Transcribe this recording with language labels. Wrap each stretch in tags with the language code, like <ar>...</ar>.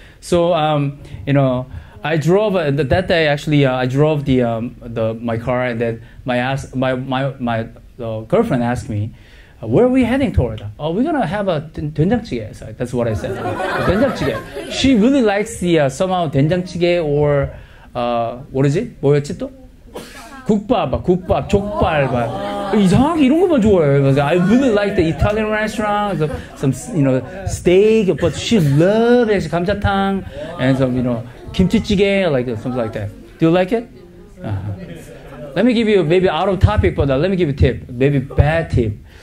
<en>So, you know, I drove, that day actually, I drove the my car, and then my girlfriend asked me, where are we heading toward? Oh, we're going to have a doenjangjjigae. So that's what I said. Doenjangjjigae. She really likes the somehow doenjangjjigae or, what is it?</en> <ko>뭐였지 또? 국밥, 족발, 이상하게 이런 것만 좋아해요.</ko> <en>I really like the Italian restaurant, some you know steak, but she loves 감자탕 and some you know 김치찌개, like something like that. Do you like it? Let me give you maybe out of topic, but let me give you a tip, maybe bad tip.</en>